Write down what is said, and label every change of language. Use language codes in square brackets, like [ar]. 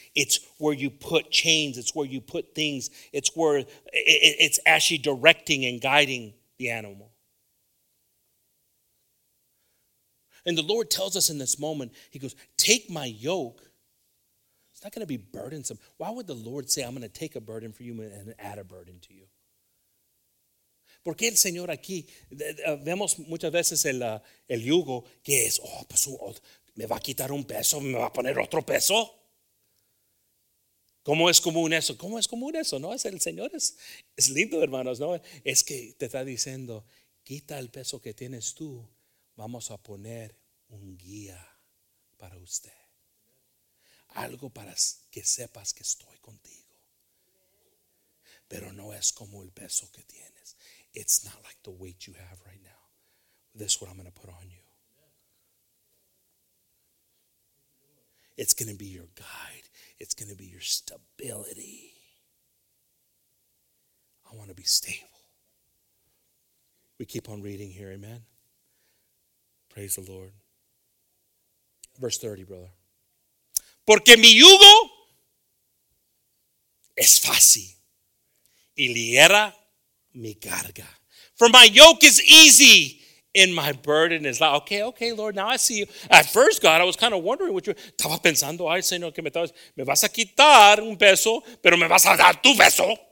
[en] It's where you put chains. It's where you put things. It's where it's actually directing and guiding the animal. And the Lord tells us in this moment, he goes, take my yoke. It's not going to be burdensome. Why would the Lord say, I'm going to take a burden for you and add a burden to you? [es] ¿Por qué el Señor aquí? Vemos muchas veces el yugo que es, oh, pues me va a quitar un peso, me va a poner otro peso. ¿Cómo es común eso? ¿Cómo es común eso? No, es el Señor, es lindo, hermanos, ¿no? Es que te está diciendo, quita el peso que tienes tú, vamos a poner un guía para usted. Algo para que sepas que estoy contigo. Pero no es como el peso que tienes. [en] It's not like the weight you have right now. This is what I'm going to put on you. It's going to be your guide. It's going to be your stability. I want to be stable. We keep on reading here, amen? Praise the Lord. Verse 30, brother. [es] Porque mi yugo es fácil y ligera mi carga. [en] For my yoke is easy and my burden is light. Okay, okay, Lord, now I see you. At first, God, I was kind of wondering what you were. [es] Estaba pensando, ay, Señor, que me estabas. Me vas a quitar un peso, pero me vas a dar tu peso.